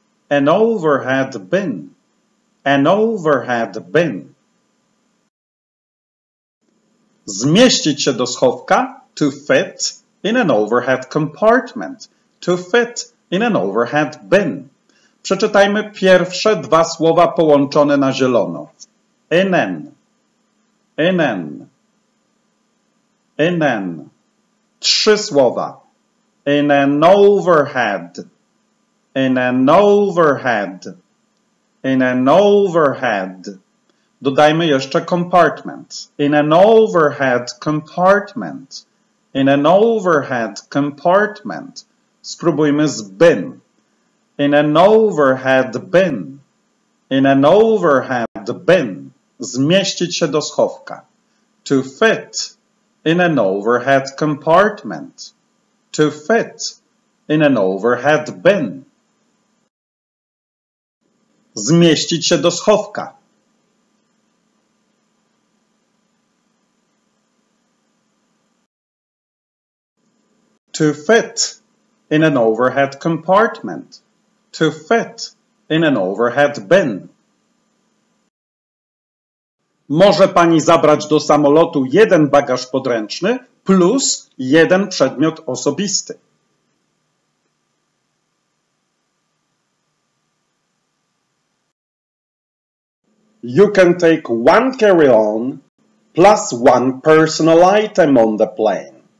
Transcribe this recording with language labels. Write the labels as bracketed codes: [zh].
[en] An overhead bin. An overhead bin. [pl] Zmieścić się do schowka, [en] to fit in an overhead compartment. To fit in an overhead bin. [pl] Przeczytajmy pierwsze dwa słowa połączone na zielono. [en] In an. In an. In an. [pl] Trzy słowa. [en] In an overhead. In an overhead. In an overhead. [pl] Dodajmy jeszcze compartment. [en] In an overhead compartment. In an overhead compartment. [pl] Spróbujmy z [en] bin. In an overhead bin. In an overhead bin. [pl] Zmieścić się do schowka. [en] To fit in an overhead compartment. To fit in an overhead bin. [pl] Zmieścić się do schowka. [en] To fit in an overhead compartment. To fit in an overhead bin. [pl] Może pani zabrać do samolotu jeden bagaż podręczny plus jeden przedmiot osobisty. [en] You can take one carry-on plus one personal item on the plane.